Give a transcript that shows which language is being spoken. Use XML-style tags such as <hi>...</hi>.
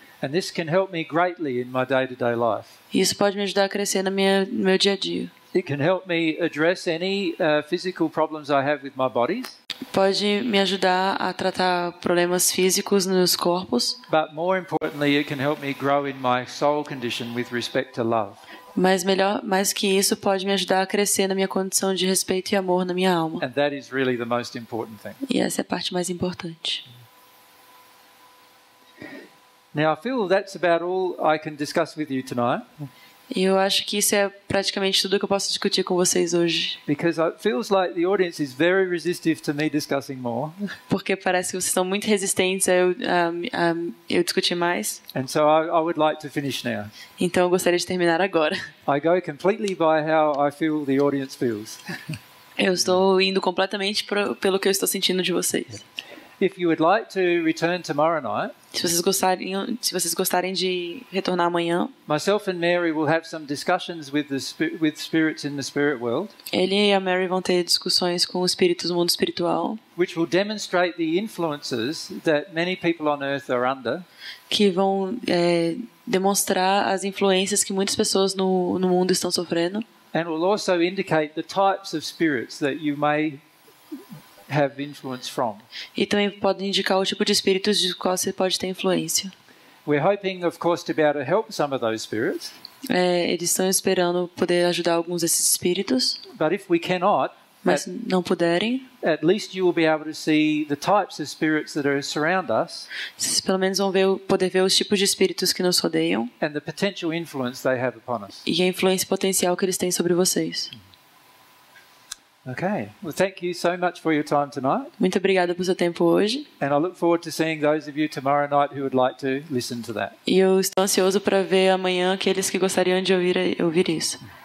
<en>And this can help me greatly in my day-to-day life.</en> <pt>Isso pode me ajudar a crescer no meu dia a dia.</pt> <en>It can help me address any physical problems I have with my body.</en> <pt>Pode me ajudar a tratar problemas físicos nos corpos.</pt> <en>But more importantly, it can help me grow in my soul condition with respect to love.</en> <pt>Mas melhor, mais que isso, pode me ajudar a crescer na minha condição de respeito e amor na minha alma.</pt> <en>And that is really the most important thing.</en> <pt>E essa é a parte mais importante.</pt> <en>Now I feel that's about all I can discuss with you tonight.</en> <pt>Eu acho que isso é praticamente tudo que eu posso discutir com vocês hoje.</pt> <en>Because it feels like the audience is very resistive to me discussing more.</en> <pt>Porque parece que vocês estão muito resistentes a eu discutir mais.</pt> <en>And so I would like to finish now.</en> <pt>Então eu gostaria de terminar agora.</pt> <en>I go completely by how I feel the audience feels.</en> <pt>Eu estou indo completamente pelo que eu estou sentindo de vocês.</pt> <en>If you would like to return tomorrow night,</en> <pt>se vocês gostarem de retornar amanhã,</pt> <en>myself and Mary will have some discussions with spirits in the spirit world.</en> <pt>Ele e a Mary vão ter discussões com espíritos do mundo espiritual,</pt> <en>which will demonstrate the influences that many people on earth are under.</en> <pt>Que vão demonstrar as influências que muitas pessoas no mundo estão sofrendo.</pt> <en>And will also indicate the types of spirits that you may have influence from.</en> <pt>E também pode indicar o tipo de espíritos de qual você pode ter influência.</pt> <en>We're hoping, of course, to be able to help some of those spirits.</en> <pt>Eles estão esperando poder ajudar alguns desses espíritos.</pt> <en>But if we cannot,</en> <pt>mas não puderem,</pt> <en>at least you will be able to see the types of spirits that are surround us.</en> <pt>Vocês pelo menos vão poder ver os tipos de espíritos que nos rodeiam.</pt> <en>And the potential influence they have upon us.</en> <pt>E a influência potencial que eles têm sobre vocês.</pt> <en>Okay. Well, thank you so much for your time tonight.</en> <pt>Muito obrigada por seu tempo hoje.</pt> <en>And I look forward to seeing those of you tomorrow night who would like to listen to that.</en> <pt>E eu estou ansioso para ver amanhã aqueles que gostariam de ouvir isso.</pt>